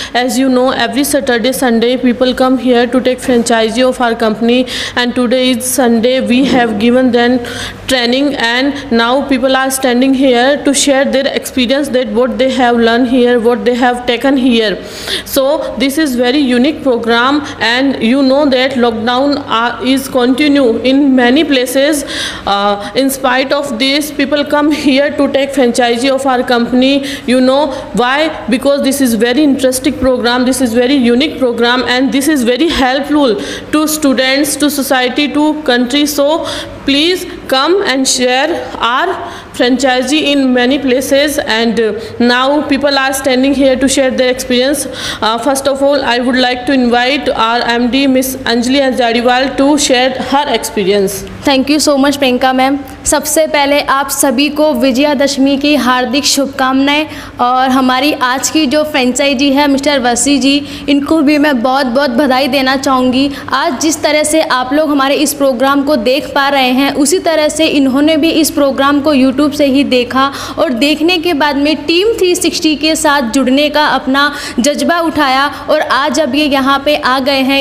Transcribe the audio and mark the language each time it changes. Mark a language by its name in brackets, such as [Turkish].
[English] As you know, every Saturday Sunday people come here to take franchisee of our company, and today is Sunday. We have given them training and now people are standing here to share their experience, that what they have learn here, what they have taken here. So this is very unique program, and you know that lockdown is continue in many places. In spite of this, people come here to take franchise of our company. You know why? Because this is very interesting program, this is very unique program, and this is very helpful to students, to society, to country. So please come and share our franchise in many places, and now people are standing here to share their experience. First of all, I would like to invite our MD Miss Anjali Hazariwal to share her experience. Thank you so much Priyanka ma'am. [Hindi] सबसे पहले आप सभी को विजयादशमी की हार्दिक शुभकामनाएं, और हमारी आज की जो फ्रेंचाइजी है मिस्टर वसी जी, इनको भी मैं बहुत बहुत बधाई देना चाहूँगी। आज जिस तरह से आप लोग हमारे इस प्रोग्राम को देख पा रहे हैं, उसी तरह से इन्होंने भी इस प्रोग्राम को यूट्यूब से ही देखा, और देखने के बाद में टीम 360 के साथ जुड़ने का अपना जज्बा उठाया, और आज अब ये यहाँ पर आ गए हैं।